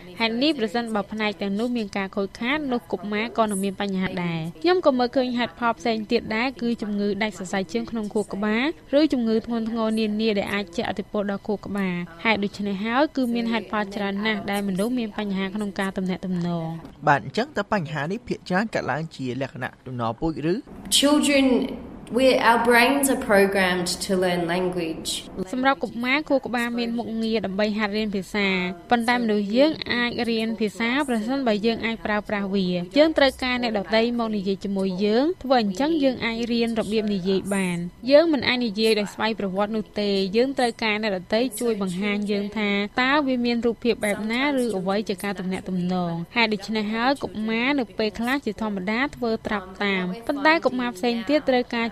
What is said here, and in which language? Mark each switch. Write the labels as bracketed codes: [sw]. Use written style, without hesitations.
[km] ហើយនេះប្រសិនបើផ្នែកទាំងនោះមានការខូចខាតនោះកុមារក៏នឹងមានបញ្ហាដែរខ្ញុំក៏មើលឃើញហេតុផលផ្សេងទៀតដែរគឺជំងឺដាច់សរសៃឈាមក្នុងខួរក្បាលឬជំងឺធ្ងន់ធ្ងរនានាដែលអាចជះឥទ្ធិពលដល់ខួរក្បាលហេតុដូច្នេះហើយគឺមានហេតុផលច្រើនណាស់ដែលមនុស្សមានបញ្ហាក្នុងការទំនាក់ទំនង បាទអញ្ចឹងតើបញ្ហានេះភាគច្រើនកើតឡើងជាលក្ខណៈដំណរពូជឬ [en] ChildrenOur brains are programmed to learn language. [km] សម្រាប់កុមារគួរក្បាលមានមុខងារដើម្បីហាត់រៀនភាសាប៉ុន្តែមនុស្សយើងអាចរៀនភាសាប្រសិនបើយើងអាចប្រើប្រាស់វាយើងត្រូវការអ្នកដទៃមកនិយាយជាមួយយើងធ្វើអញ្ចឹងយើងអាចរៀនរបៀបនិយាយបានយើងមិនអាចនិយាយដោយស្វ័យប្រវត្តិនោះទេយើងត្រូវការអ្នកដទៃជួយបង្ហាញយើងថាតើវាមានរូបភាពបែបណាឬអ្វីជាការទំនាក់ទំនងហេតុដូច្នេះហើយកុមារនៅពេលខ្លះជាធម្មតាធ្វើត្រាប់តាមប៉ុន្តែកុមារផ្សេងទៀតត្រូវការ